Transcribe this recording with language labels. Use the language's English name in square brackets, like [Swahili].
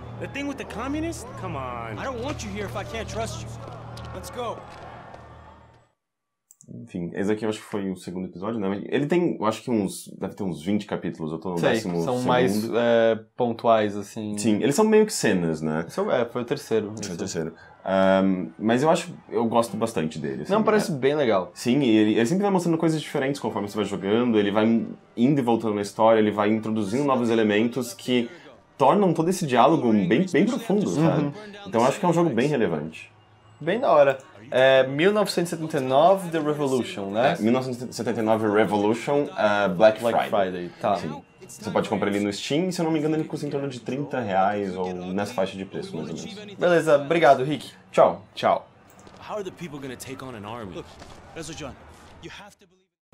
[English] The thing with the communist? Come on. I don't want you here if I can't trust you. Let's go. [Portuguese] Enfim, esse aqui eu acho que foi o segundo episódio, né? Ele tem, eu acho que deve ter uns 20 capítulos, eu tô no sei, décimo são segundo. Mais pontuais, assim. Sim, eles são meio que cenas, né? Foi o terceiro. Foi o terceiro. Mas eu gosto bastante dele. Assim. Não, parece bem legal. Sim, e ele sempre vai mostrando coisas diferentes conforme você vai jogando, ele vai indo e voltando na história, ele vai introduzindo novos elementos que tornam todo esse diálogo bem, bem profundo, sabe? Então eu acho que é um jogo bem relevante. Bem da hora. É 1979, The Revolution, né? 1979, Revolution, Black Friday. Black Friday, tá. Sim. Você pode comprar ele no Steam e, se eu não me engano, ele custa em torno de R$30 ou nessa faixa de preço, mais ou menos. Beleza, obrigado, Rick. Tchau. [English] Tchau. How are the people gonna take on an army? Look, Ezra John, you have to believe...